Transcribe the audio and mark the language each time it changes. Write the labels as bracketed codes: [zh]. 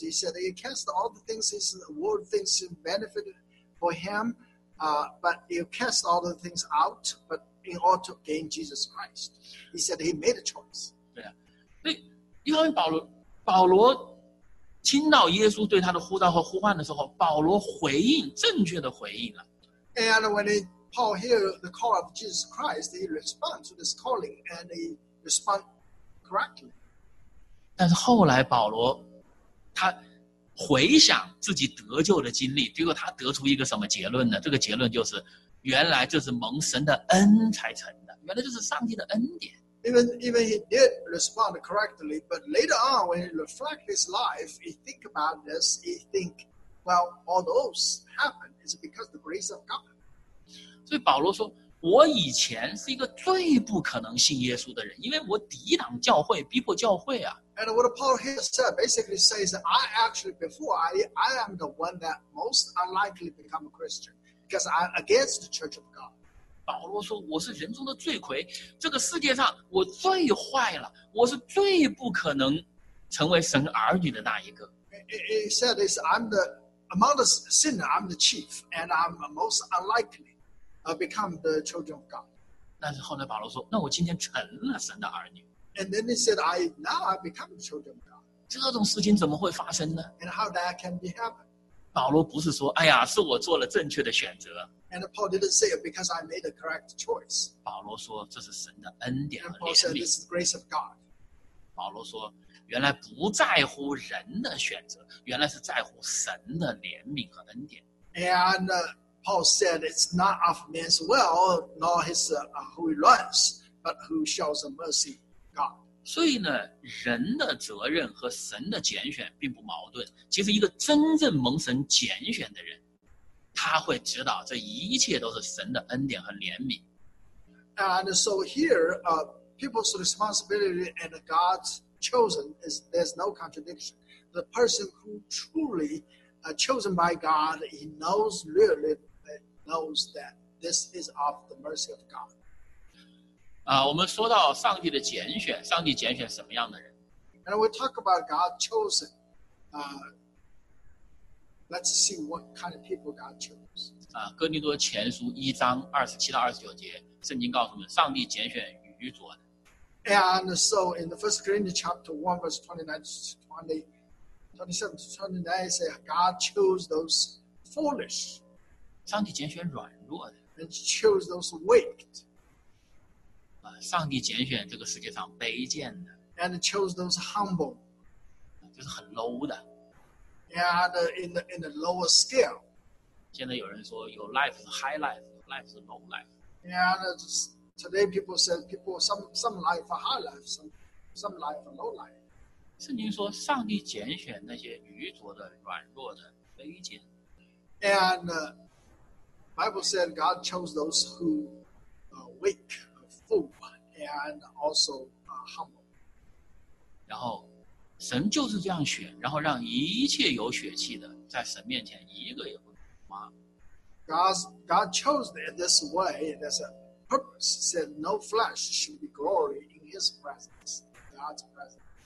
[en] He said he cast all the things his world thinks benefited for him, but he cast all the things out, but in order to gain Jesus Christ. He said he made a choice. [zh] 对啊，所以一方面保罗听到耶稣对他的呼召和呼唤的时候，保罗回应，正确的回应了。 [en] And when Paul hears the call of Jesus Christ, he responds to this calling and he responds correctly. [zh] 但是后来保罗他回想自己得救的经历，结果他得出一个什么结论呢？这个结论就是，原来这是蒙神的恩才成的，原来这是上帝的恩典。 [en] Even he did respond correctly, but later on, when he reflects his life, he think about this, he think, well, all those happen is because the grace of God. [zh] 所以保罗说，我以前是一个最不可能信耶稣的人，因为我抵挡教会，逼迫教会啊。 [en] And what Paul here said basically says that I actually before, I am the one that most unlikely to become a Christian, because I'm against the church of God. [zh] 保罗说我是人中的罪魁，这个世界上我最坏了，我是最不可能成为神儿女的那一个。 [en] He said this, I'm the among the sinner, I'm the chief, and I'm most unlikely to become the children of God. [zh] 但是后来保罗说，那我今天成了神的儿女。 [en] And then he said, I become the children of God. [zh] 这种事情怎么会发生呢？ [en] And how that can be happened? [zh] 保罗不是说，哎呀，是我做了正确的选择。 [en] And Paul didn't say it because I made a correct choice. [zh] 保罗说这是神的恩典和怜悯。 [en] And Paul said this is grace of God. [zh] 保罗说原来不在乎人的选择，原来是在乎神的怜悯和恩典。 [en] And Paul said it's not of man's will, nor his who runs, but who shows mercy, God. [zh] 所以呢，人的责任和神的拣选并不矛盾。其实一个真正蒙神拣选的人，他会知道这一切都是神的恩典和怜悯。 [en] And so here, people's responsibility and God's chosen is there's no contradiction. The person who truly chosen by God, he knows really knows that this is of the mercy of God. [zh] 我们说到上帝的拣选，上帝拣选什么样的人 [en] ？And we talk about God chosen. Let's see what kind of people God chose. [zh] 哥林多前书一章二十七到二十九节，圣经告诉我们，上帝拣选愚拙的。 [en] And so in the First Corinthians chapter 1 verse 29 to 29 say God chose those foolish. [zh] 上帝拣选软弱的。 [en] And chose those weak. [zh] 上帝拣选这个世界上卑贱的。 [en] And chose those humble. [zh] 就是很 low 的。 [en] And in the lower scale. [zh] 现在有人说，有 life 是 high life, life 是 low life. [en] And Today people said people some life a high life, some life a low life. [zh] 圣经说上帝拣选那些愚拙的、软弱的、卑贱。 [en] And Bible said God chose those who weak, fool, and also humble. [zh] 然后神就是这样选，然后让一切有血气的在神面前一个也不麻。 [en] God chose it this way. There's a purpose. Said no flesh should be glory in His presence, God's presence.